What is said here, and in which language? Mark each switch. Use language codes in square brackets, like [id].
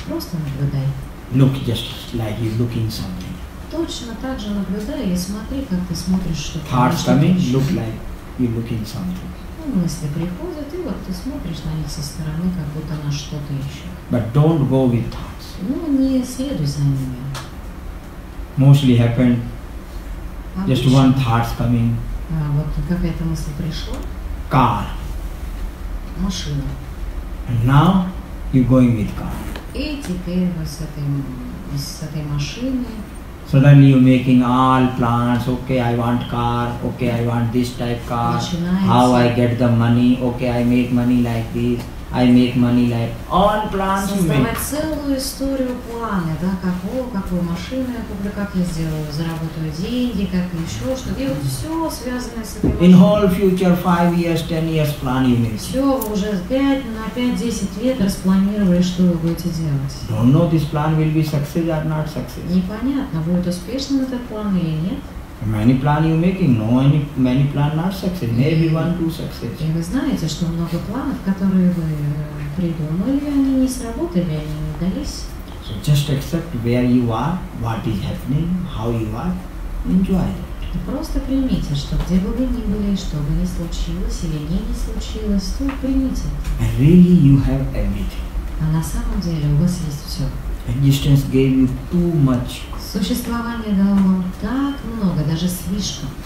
[ru] Просто наблюдай. [en] Look just like you're looking something. [ru] Точно так же наблюдай и смотри, как ты смотришь что-то. [en] Thoughts coming, look like you're looking something. [ru] Ну, мысли приходят, и тело, ты смотришь на них со стороны, как будто на что-то еще. [en] But don't go with thoughts. [ru] Ну, не следуй за ними. [en] Mostly happen. Just one thought coming. [ru] А вот какая-то мысль пришла. [en] Car. [ru] Машина. [en] And now you're going with car. [ru] И теперь вы с этой машиной. [en] Suddenly you're making all plans. Okay, I want car. Okay, I want this type car. How I get the money? Okay, I make money like this. I make money like all plans you make. [ru] Создавать целую историю планы, да? Какую машину я куплю, как я сделаю, заработаю деньги, как еще что-то. И вот все связанное с этой машиной. [en] In whole future, 5 years, 10 years plan you make. [ru] Все, уже на 5-10 лет распланировали, что вы будете делать. [en] Don't know this plan will be success or not success. [ru] Непонятно, будет успешным этот план или нет. [en] Many plan you making, no any many plan not success, maybe one, two success. [ru] И вы знаете, что много планов, которые вы придумали, они не сработали, они не дались. [en] So just accept where you are, what is happening, how you are, enjoy it. [ru] Просто примите, что где бы вы ни были, что бы ни случилось или не случилось, то примите. [en] And really you have everything. [ru] А на самом деле у вас есть все. [en] Existence gave you too much. [ru] Существование дало вам так много, даже слишком.